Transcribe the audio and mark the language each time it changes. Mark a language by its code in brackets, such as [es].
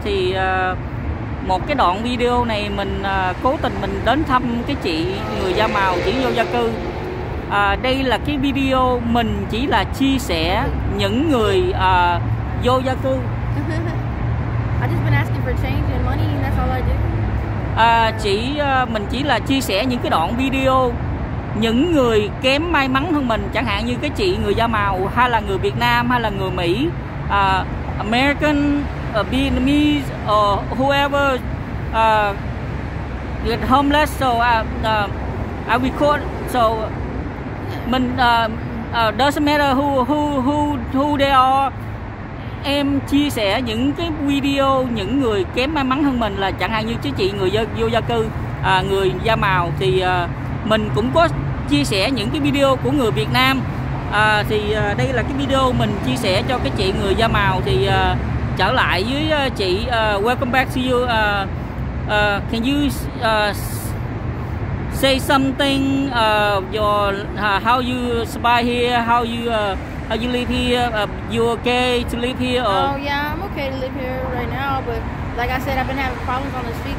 [vi] Thì một cái đoạn video này mình cố tình mình đến thăm cái chị người da màu chuyển vô gia cư. Đây là cái video mình chỉ là chia sẻ những người vô gia cư. [en] I just been asking for change and money, that's all I do. [vi] Mình chỉ là chia sẻ những cái đoạn video những người kém may mắn hơn mình, chẳng hạn như cái chị người da màu, hay là người Việt Nam, hay là người Mỹ, American, Vietnamese, [en] or whoever get homeless. So I record. So mình doesn't matter who they are. [vi] Em chia sẻ những cái video những người kém may mắn hơn mình, là chẳng hạn như cái chị người vô gia cư, người da màu. Thì mình cũng có chia sẻ những cái video của người Việt Nam. Thì đây là cái video mình chia sẻ cho cái chị người da màu. Thì trở lại với chị, [en] welcome back to you. Can you say something how you survive here, how you live here, you okay to live here? Oh yeah, I'm okay to live here right now, but like I said, I've been having problems on the street.